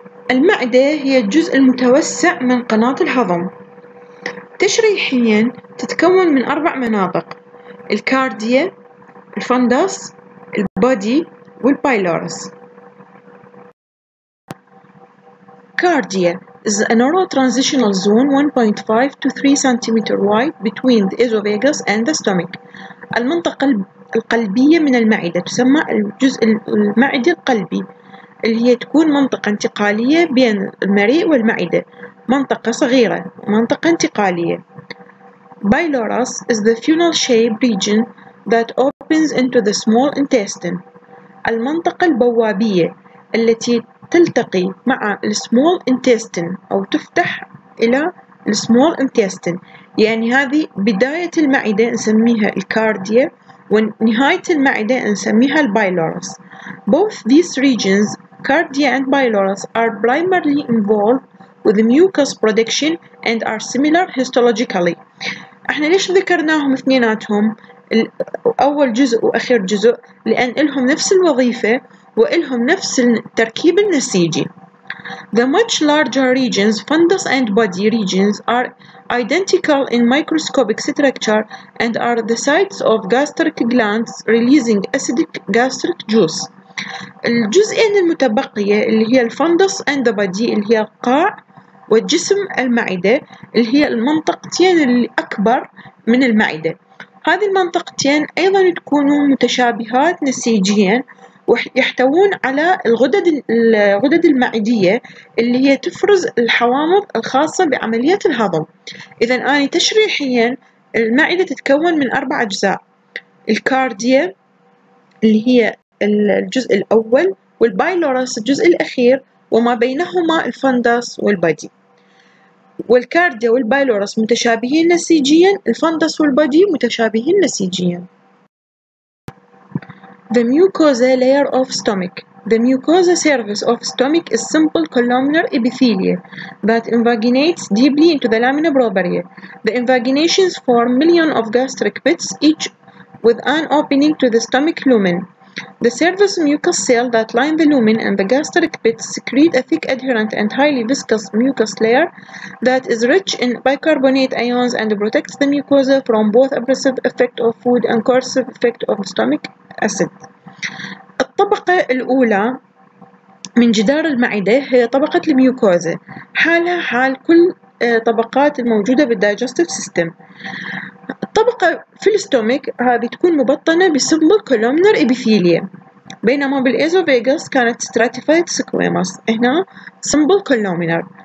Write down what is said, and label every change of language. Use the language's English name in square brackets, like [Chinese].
[Arabic] المعدة هي الجزء المتوسع من قناة الهضم. تشريحيا تتكون من أربع مناطق: الكارديا، الفندس، البودي، والبايلورس. [English] Cardia is a neurotransitional zone 1.5 to 3 cm wide between the esophagus and the stomach. [Arabic] المنطقة القلبية من المعدة تسمى الجزء المعدي القلبي، اللي هي تكون منطقة انتقالية بين المريء والمعدة، منطقة صغيرة، منطقة انتقالية. [English] Pylorus is the funnel-shaped region that opens into the small intestine. [Arabic] المنطقة البوابية التي تلتقي مع السمول انتستين أو تفتح إلى السمول انتستين، يعني هذه بداية المعدة نسميها الكارديا ونهاية المعدة نسميها البايلورس. [English] Both these regions, cardia and bilorus, are primarily involved with mucus production and are similar histologically. [Arabic] احنا ليش ذكرناهم اثنيناتهم أول جزء وأخير جزء؟ لأن لهم نفس الوظيفة وإلهم نفس التركيب النسيجي. [English] The much larger regions, fundus and body regions, are identical in microscopic structure and are the sites of gastric glands releasing acidic gastric juice. [Arabic] الجزئين المتبقية اللي هي الفندس [English] and the body [Arabic] اللي هي القاع والجسم المعدة اللي هي المنطقتين الأكبر من المعدة. هذه المنطقتين أيضا تكون متشابهات نسيجيا ويحتوون على الغدد المعدية اللي هي تفرز الحوامض الخاصة بعملية الهضم. إذا أنا تشريحيا المعدة تتكون من أربع أجزاء: الكارديا اللي هي الجزء الأول، والبايلورس الجزء الأخير، وما بينهما الفندس والبادي. والكارديا والبايلورس متشابهين نسيجيا، الفندس والبادي متشابهين نسيجيا. [English] The mucosa layer of stomach. The mucosa surface of stomach is simple columnar epithelia that invaginates deeply into the lamina propria. The invaginations form millions of gastric pits, each with an opening to the stomach lumen. The surface mucous cells that line the lumen and the gastric pits secrete a thick adherent and highly viscous mucous layer that is rich in bicarbonate ions and protects the mucosa from both abrasive effect of food and corrosive effect of stomach acid. [Arabic] الطبقة الأولى من جدار المعدة هي طبقة الميوكوزا، حالها حال كل طبقات الموجودة بالدايجستيف سيستم. الطبقة في الستومك هذه تكون مبطنة بسمبل كولومنر إبيثيليا، بينما بالإيزوفيغاس كانت ستراتيفايد سكويماس، هنا سمبل كولومنر.